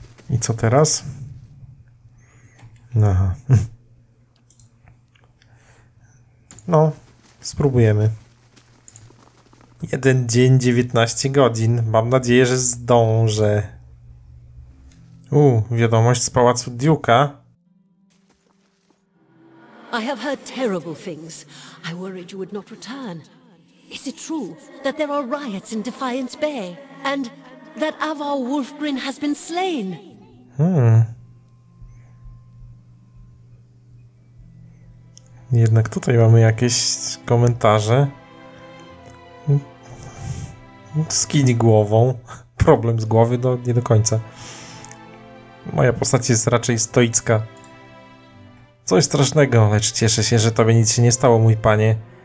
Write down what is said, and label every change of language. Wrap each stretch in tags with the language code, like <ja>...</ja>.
<pl>I co teraz? Aha. No, spróbujemy. Jeden dzień, 19 godzin. Mam nadzieję, że zdążę. Wiadomość z pałacu Duke'a.</pl> <en>I have heard terrible things. I worried you would not return. Is it true that there are riots in Defiance Bay? And that Avar Wulfgrin has been slain?</en> <pl>Jednak tutaj mamy jakieś komentarze. Skiń głową. Problem z głowy, no nie do końca. Moja postać jest raczej stoicka. Coś strasznego, lecz cieszę się, że tobie nic się nie stało, mój panie.</pl>